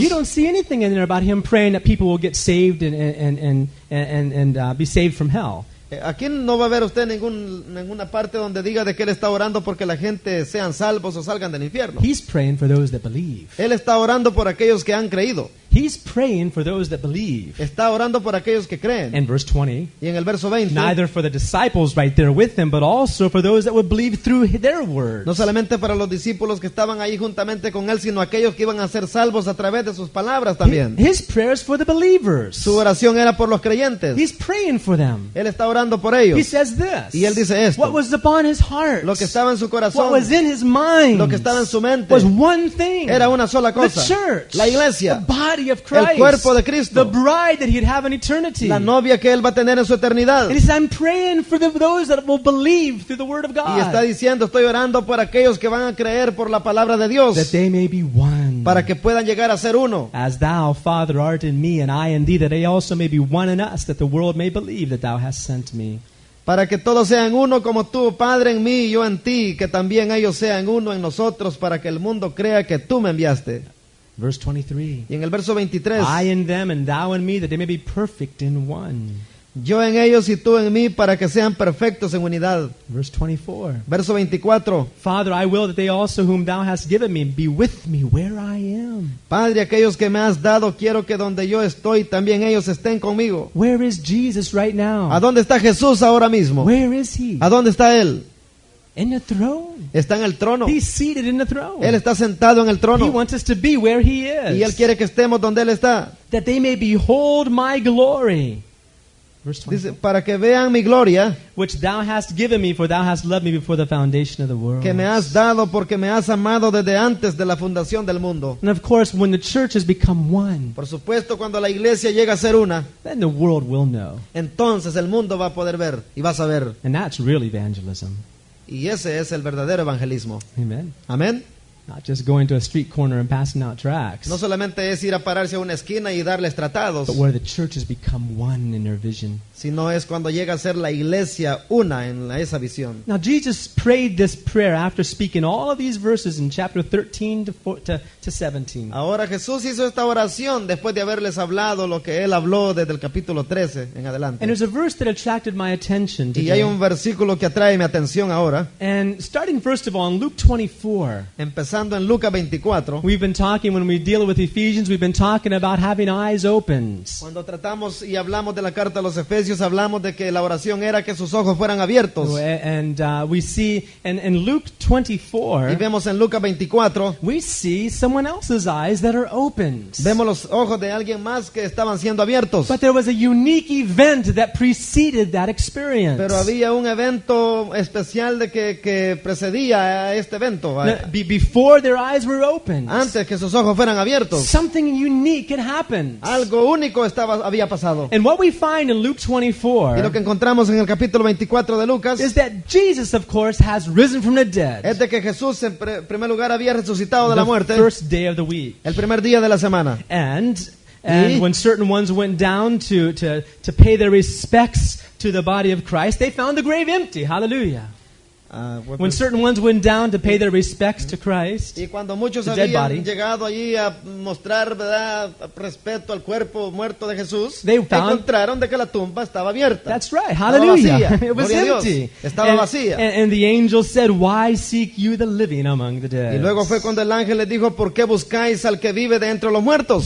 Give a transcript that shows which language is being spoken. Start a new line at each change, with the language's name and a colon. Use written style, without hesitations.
English: You don't see anything in there about him praying that people will get saved and be saved from hell.
Spanish: Aquí no va a ver usted ninguna parte donde diga de que él está orando porque la gente sean salvos o salgan del infierno.
English: He's praying for those that believe.
Spanish: Él está orando por aquellos que han creído.
English: He's praying for those that believe.
Spanish: Está orando por aquellos que creen.
English: In verse 20.
Spanish: Y en el verso 20.
English: Neither for the disciples right there with him, but also for those that would believe through their words.
Spanish: No solamente para los discípulos que estaban ahí juntamente con él, sino aquellos que iban a ser salvos a través de sus palabras también.
English: His prayers for the believers.
Spanish: Su oración era por los creyentes.
English: He's praying for them.
Spanish: Él está orando por ellos.
English: He says this.
Spanish: Y él dice esto.
English: What was upon his heart?
Spanish: Lo que estaba en su corazón.
English: What was in his mind?
Spanish: Lo que estaba en su mente.
English: Was one thing.
Spanish: Era una sola cosa.
English: The church.
Spanish: La iglesia.
English: The body of Christ,
Spanish: el cuerpo de Cristo,
English: the bride that he'd have in eternity,
Spanish: la novia que él va a tener en su eternidad.
English: And he says, I'm praying for those that will believe through the word of God.
Spanish: Y está diciendo, estoy orando por aquellos que van a creer por la palabra de Dios.
English: That they may be one.
Spanish: Para que puedan llegar a ser uno.
English: As thou, Father, art in me, and I in thee, that they also may be one in us, that the world may believe that thou hast sent me.
Spanish: Para que todos sean uno como tú, Padre, en mí y yo en ti, que también ellos sean uno en nosotros, para que el mundo crea que tú me enviaste.
English: Verse 23.
Spanish: Y en el verso 23.
English: I in them and thou in me, that they may be perfect in one.
Spanish: Yo en ellos y tú en mí, para que sean perfectos en unidad.
English: Verse 24.
Spanish: Verso 24.
English: Father, I will that they also whom thou hast given me be with me where I am.
Spanish: Padre, aquellos que me has dado, quiero que donde yo estoy también ellos estén conmigo.
English: Where is Jesus right now?
Spanish: ¿A dónde está Jesús ahora mismo?
English: Where is he?
Spanish: ¿A dónde está él?
English: In the throne.
Spanish: Está en el trono.
English: He's seated in the throne.
Spanish: Él está sentado en el trono.
English: He wants us to be where he is.
Spanish: Y él quiere que estemos donde él está.
English: That they may behold my glory.
Spanish: Dice, para que vean mi gloria,
English: which thou hast given me, for thou hast loved me before the foundation of the world.
Spanish: Que me has dado porque me has amado desde antes de la fundación del mundo.
English: And of course, when the church has become one,
Spanish: por supuesto, cuando la iglesia llega a ser una,
English: then the world will know.
Spanish: Entonces el mundo va a poder ver y va a saber.
English: And that's real evangelism.
Spanish: Y ese es el verdadero evangelismo.
English: Amen.
Spanish: Amen.
English: Not just going to a street corner and passing out tracts.
Spanish: No solamente es ir a pararse a una esquina y darles tratados.
English: But where the church has become one in their vision.
Spanish: Sino es cuando llega a ser la iglesia una en esa visión.
English: Now Jesus prayed this prayer after speaking all of these verses in chapter 13 to 17.
Spanish: Ahora Jesús hizo esta oración después de haberles hablado lo que él habló desde el capítulo 13 en adelante.
English: And there's a verse that attracted my attention today.
Spanish: Y hay un versículo que atrae mi atención ahora.
English: And starting first of all in Luke 24.
Spanish: Empezando en Lucas 24.
English: We've been talking, when we deal with Ephesians, we've been talking about having eyes opened.
Spanish: Cuando tratamos y hablamos de la carta a los Efesios, hablamos de que la oración era que sus ojos fueran abiertos.
English: And we see in Luke 24.
Spanish: Y vemos en Lucas 24.
English: We see someone else's eyes that are opened.
Spanish: Vemos los ojos de alguien más que estaban siendo abiertos.
English: But there was a unique event that preceded that experience.
Spanish: Pero había un evento especial de que precedía a este evento.
English: Before their eyes were opened,
Spanish: antes que sus ojos fueran abiertos,
English: something unique had happened.
Spanish: Algo único estaba, había pasado.
English: And what we find in Luke 24,
Spanish: y lo que encontramos en el capítulo 24 de Lucas,
English: is that Jesus, of course, has risen from the dead.
Spanish: Es de que Jesús en primer lugar había resucitado de la muerte.
English: The first day of the week,
Spanish: el primer día de la semana.
English: And when certain ones went down to pay their respects to the body of Christ, they found the grave empty. Hallelujah. When certain ones went down to pay their respects to Christ,
Spanish: y cuando muchos habían llegado allí a mostrar, ¿verdad?, respeto al cuerpo muerto de Jesús,
English: they found,
Spanish: encontraron de que la tumba estaba abierta.
English: That's right. Hallelujah. It was empty.
Spanish: Estaba vacía.
English: And the angel said, "Why seek you the living among the dead?"
Spanish: Y luego fue cuando el ángel les dijo, "¿Por qué buscáis al que vive de entre los muertos?"